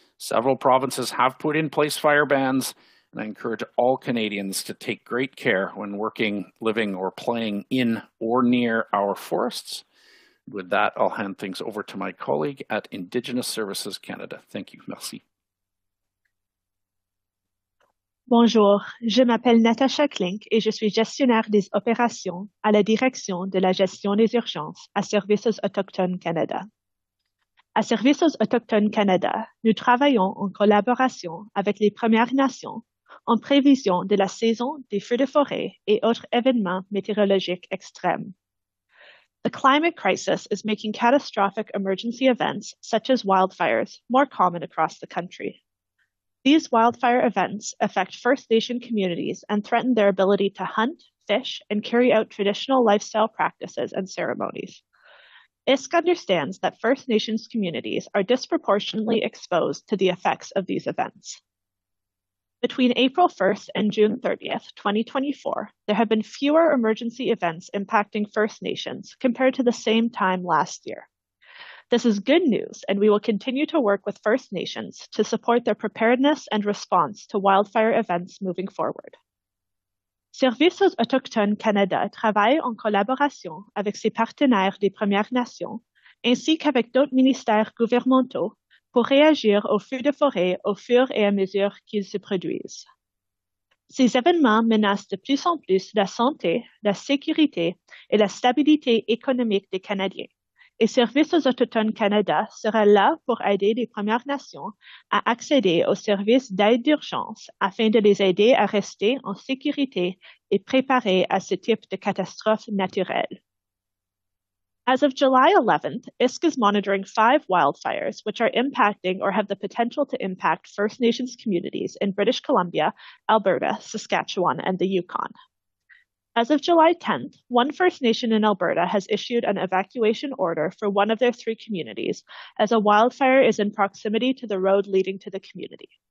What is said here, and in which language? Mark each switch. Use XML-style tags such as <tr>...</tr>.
<en>Several provinces have put in place fire bans, and I encourage all Canadians to take great care when working, living, or playing in or near our forests. With that, I'll hand things over to my colleague at Indigenous Services Canada. Thank you.</en> <fr>Merci. Bonjour, je m'appelle Natasha Klink et je suis gestionnaire des opérations à la Direction de la gestion des urgences à Services Autochtones Canada. À Services Autochtones Canada, nous travaillons en collaboration avec les Premières Nations en prévision de la saison des feux de forêt et autres événements météorologiques extrêmes.</fr> <en>The climate crisis is making catastrophic emergency events such as wildfires more common across the country. These wildfire events affect First Nation communities and threaten their ability to hunt, fish, and carry out traditional lifestyle practices and ceremonies. ISC understands that First Nations communities are disproportionately exposed to the effects of these events. Between April 1st and June 30th, 2024, there have been fewer emergency events impacting First Nations compared to the same time last year. This is good news, and we will continue to work with First Nations to support their preparedness and response to wildfire events moving forward.</en> <fr>Services Autochtones Canada travaille en collaboration avec ses partenaires des Premières Nations ainsi qu'avec d'autres ministères gouvernementaux pour réagir aux feux de forêt au fur et à mesure qu'ils se produisent. Ces événements menacent de plus en plus la santé, la sécurité et la stabilité économique des Canadiens. Et Services Autochtones Canada sera là pour aider les Premières Nations à accéder aux services d'aide d'urgence afin de les aider à rester en sécurité et préparer à ce type de catastrophe naturelle.</fr> <en>As of July 11th, ISC is monitoring 5 wildfires which are impacting or have the potential to impact First Nations communities in British Columbia, Alberta, Saskatchewan, and the Yukon. As of July 10th, one First Nation in Alberta has issued an evacuation order for one of their 3 communities as a wildfire is in proximity to the road leading to the community.</en>